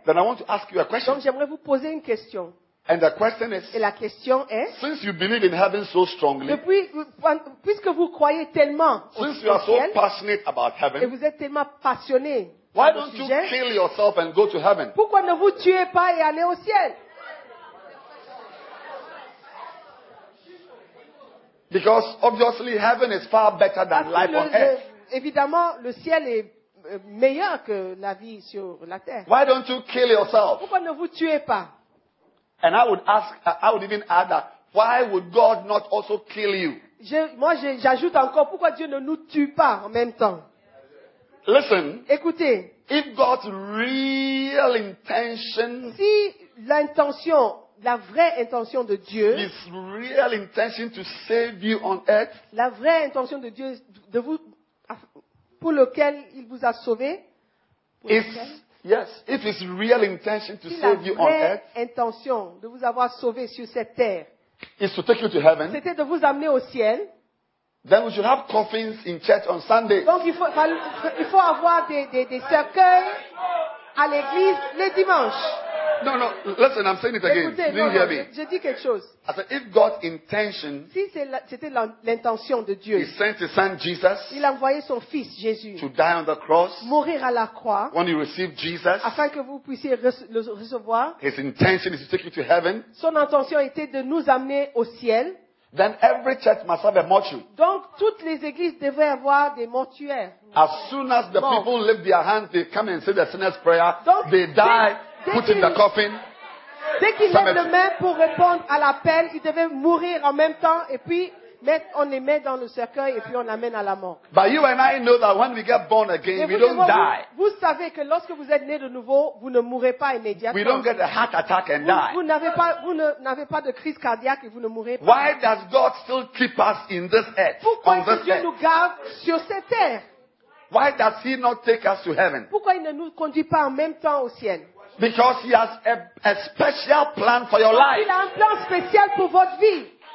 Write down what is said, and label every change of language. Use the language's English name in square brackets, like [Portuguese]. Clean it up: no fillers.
[English] then I want to ask you a question. [French] Donc j'aimerais vous poser une question. [English] And the question is, [French] et la question est, [English] since you believe in heaven so strongly, [French] depuis, puisque vous croyez tellement au [English] since [French] ciel, [English] you are so passionate about heaven, [French] et vous êtes tellement passionné, [English] why don't you kill yourself and go to heaven? [French] Pourquoi ne vous tuez pas et allez au ciel? [English] Because obviously heaven is far better than life on earth. [French] Évidemment, le ciel est meilleur que la vie sur la terre. [English] Why don't you kill yourself? [French] Pourquoi ne vous tuez pas? [English] And I would even add that, why would God not also kill you? [French] J'ajoute encore, pourquoi Dieu ne nous tue pas en même temps? [English] Listen, [French] écoutez, [English] if God's real intention, [French] si l'intention, la vraie intention de Dieu, [English] his real intention to save you on earth, [French] la vraie intention de Dieu de vous, pour lequel il vous a sauvé, [English] if his real intention to [French] si [English] save you on earth, [French] intention de vous avoir sauvé sur cette terre, [English] is to take you to heaven, [French] c'était de vous amener au ciel. [English] Then we should have coffins in church on Sunday. [French] Donc il faut avoir des cercueils à l'église le dimanche. [English] No, listen, I'm saying it again. [French] Écoutez, [English] you hear me? [French] Je dis quelque chose. [English] I said, if God's intention, [French] si c'était l'intention de Dieu, [English] he sent his son Jesus, [French] il a envoyé son fils Jésus, [English] to die on the cross, [French] mourir à la croix, [English] when you receive Jesus, [French] afin que vous puissiez le recevoir, [English] his intention is to take you to heaven, [French] son intention était de nous amener au ciel, [English] then every church must have a mortuary. [French] Donc toutes les églises devraient avoir des mortuaires. [English] As soon as the people lift their hands, they come and say the sinner's prayer. [French] Donc, [English] they die, put in the coffin. [French] Dès qu'ils lèvent les mains pour répondre à l'appel, ils devaient mourir en même temps et puis on les met dans le cercueil et puis on amène à la mort. [English] But you and I know that when we get born again, [French] mais [English] we don't die. [French] Vous savez que lorsque vous êtes né de nouveau, vous ne mourrez pas immédiatement. [English] We don't get a heart attack and [French] vous, [English] die. [French] Vous n'avez pas de crise cardiaque et vous ne mourrez pas. [English] Why does God still keep us in this earth? [French] Pourquoi est-ce que Dieu nous garde sur cette terre? [English] Why does he not take us to heaven? [French] Pourquoi il ne nous conduit pas en même temps au ciel? [English] Because he has a special plan for your life. [French] Il a un plan spécial pour votre vie.